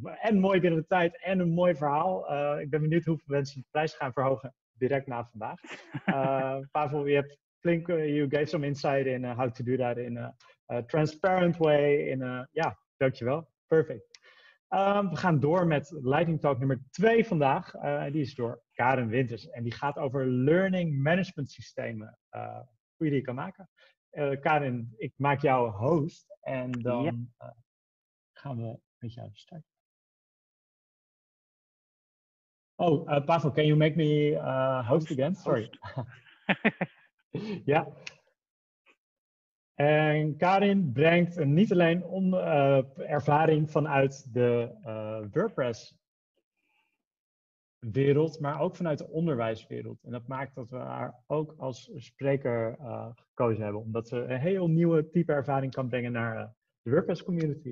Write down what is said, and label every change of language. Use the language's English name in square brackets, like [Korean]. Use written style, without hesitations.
[Dutch] En mooi binnen de tijd en een mooi verhaal. Ik ben benieuwd hoeveel mensen de prijs gaan verhogen direct na vandaag. [English] Pavel, [Dutch] je hebt flink, [English] you gave some insight in how to do that in a transparent way. [Dutch] Dankjewel. Perfect. We gaan door met lightning talk nummer 2 vandaag. Die is door Karin Winters. En die gaat over learning management systemen. Hoe je die kan maken. Karin, ik maak jou host. En dan gaan we met jou starten. [English] Oh, Pavel, can you make me host again? [Dutch] Sorry. Ja. En Karin brengt niet alleen ervaring vanuit de WordPress-wereld, maar ook vanuit de onderwijswereld. En dat maakt dat we haar ook als spreker gekozen hebben, omdat ze een heel nieuwe type ervaring kan brengen naar de WordPress-community.